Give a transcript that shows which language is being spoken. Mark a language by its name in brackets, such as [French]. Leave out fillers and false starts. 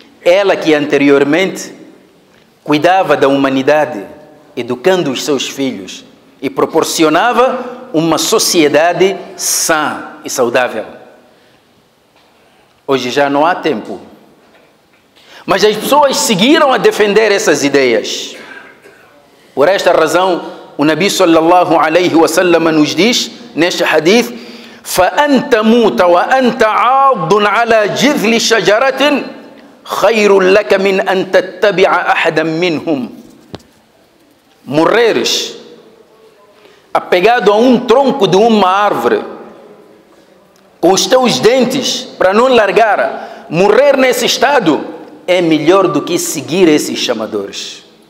[Portuguese] Ela que anteriormente cuidava da humanidade, educando os seus filhos e proporcionava uma sociedade sã e saudável. Hoje já não há tempo. Mas as pessoas seguiram a defender essas ideias. Por esta razão, o Nabi sallallahu alaihi wa sallam nos diz neste hadith: [Arabic] فَأَنْتَ مُوتَ وَأَنْتَ عَاضٌ عَلَى جِذْلِ شَجَرَةٍ خَيْرٌ لَكَ مِنْ أَنْ تَتَّبِعَ أَحَدًا مِنْهُمْ. [Portuguese] Morreres apegado a tronco de árvore com os teus dentes para não largar, morrer nesse estado é melhor do que seguir esses chamadores.